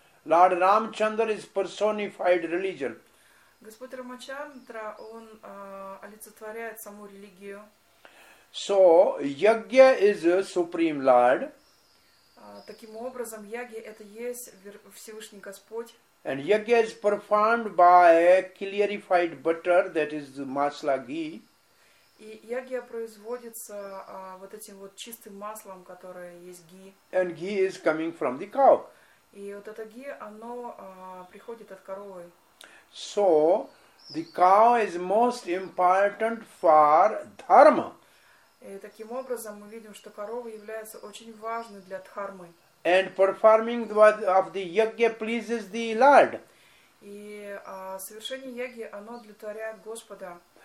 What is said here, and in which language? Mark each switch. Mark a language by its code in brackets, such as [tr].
[en] Lord Ramchandra is personified religion. [ru] Господь Рамачандра, он олицетворяет саму религию. [en] So, Yagya is a Supreme Lord. [ru] Таким образом, Yagya это есть Всевышний Господь. [en] And Yagya is performed by clarified butter, that is masala ghee. [ru] И Yagya производится вот этим вот чистым маслом, которое есть ghee. [en] And ghee is coming from the cow. [ru] И вот это ghee, оно приходит от коровы. [en] So, the cow is most important for dharma. [ru] И таким образом мы видим, что корова является очень важной для дхармы. [en] And performing of the yagya pleases the Lord. [ru] И совершение яги, оно удовлетворяет Господа.